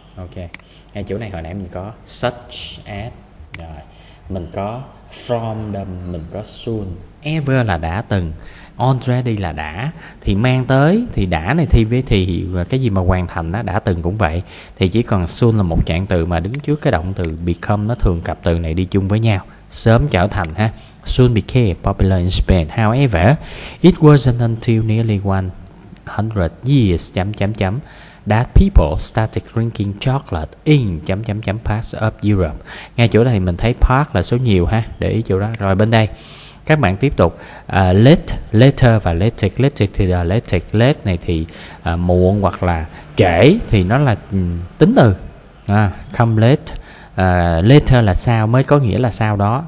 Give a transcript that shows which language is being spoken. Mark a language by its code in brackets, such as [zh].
[vi] Ok, ngay chỗ này hồi nãy mình có such as, rồi mình có from them, mình có soon. Ever là đã từng, already là đã, thì mang tới, thì đã này thi với thì cái gì mà hoàn thành đó, đã từng cũng vậy. Thì chỉ còn soon là một trạng từ mà đứng trước cái động từ become, nó thường cặp từ này đi chung với nhau. [en] sớm trở thành ha. Soon became popular in Spain. However, it wasn't until nearly 100 years that people started drinking chocolate in parts of Europe. [vi] Ngay chỗ này mình thấy part là số nhiều ha. Để ý chỗ đó. Rồi bên đây các bạn tiếp tục late, later và latex. Latex thì latex, late này thì muộn hoặc là trễ, thì nó là tính từ. Come late, later là sau, mới có nghĩa là sau đó.